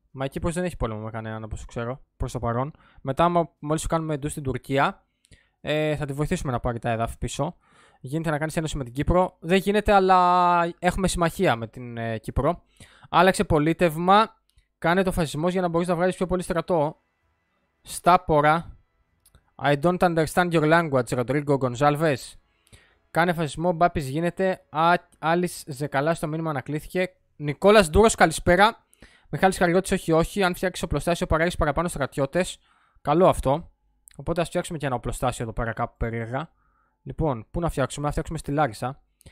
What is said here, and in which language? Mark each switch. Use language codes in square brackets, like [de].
[el] Μα η Κύπρος δεν έχει πόλεμο με κανέναν, όπως ξέρω, προς το παρόν. Μετά, μόλις κάνουμε ντου στην Τουρκία, θα τη βοηθήσουμε να πάρει τα έδαφη πίσω. Γίνεται να κάνεις ένωση με την Κύπρο. Δεν γίνεται, αλλά έχουμε συμμαχία με την Κύπρο. Άλλαξε πολίτευμα. Κάνε το φασισμός για να μπορείς να βγάλεις πιο πολύ στρατό. Στάπορα. [en] I don't understand your language, Rodrigo Gonzalez. [el] Κάνε φασισμό, μπάπης γίνεται. Άλλης Ζεκαλά στο μήνυμα ανακλήθηκε. Νικόλας Ντούρος, καλησπέρα. Μιχάλης Χαριώτης, όχι, όχι. Αν φτιάξεις οπλοστάσιο, παράγεις παραπάνω στρατιώτες. Καλό αυτό. Οπότε ας φτιάξουμε και ένα οπλοστάσιο εδώ πέρα κάπου περίεργα. Λοιπόν, πού να φτιάξουμε, να φτιάξουμε στη Λάρισα.